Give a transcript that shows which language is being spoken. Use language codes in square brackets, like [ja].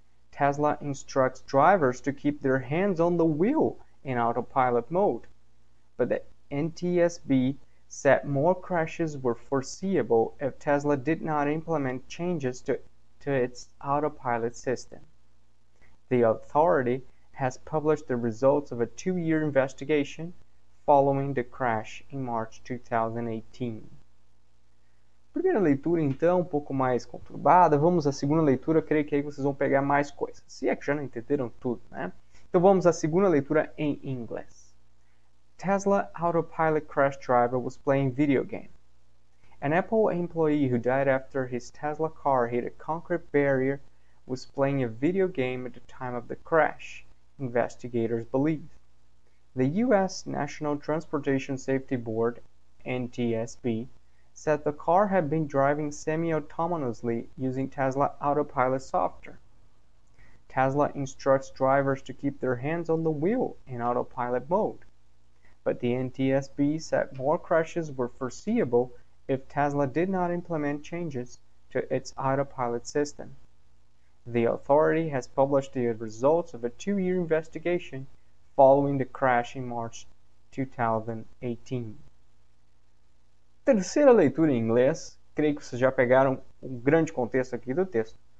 [en] Tesla instructs drivers to keep their hands on the wheel in autopilot mode, but the NTSB said more crashes were foreseeable if Tesla did not implement changes to its autopilot system. The authority has published the results of a two-year investigation following the crash in March 2018. [pt] Primeira leitura, então, um pouco mais conturbada. Vamos à segunda leitura, creio que aí vocês vão pegar mais coisas. Se é que já não entenderam tudo, né? Então vamos à segunda leitura em inglês. [en] Tesla autopilot crash driver was playing video game. An Apple employee who died after his Tesla car hit a concrete barrier was playing a video game at the time of the crash, investigators believe. The U.S. National Transportation Safety Board, NTSB, said the car had been driving semi-autonomously using Tesla autopilot software. Tesla instructs drivers to keep their hands on the wheel in autopilot mode, but the NTSB said more crashes were foreseeable if Tesla did not implement changes to its autopilot system. The authority has published the results of a two-year investigation following the crash in March 2018. [pt] Terceira leitura em inglês, creio que vocês já pegaram um grande contexto aqui do texto.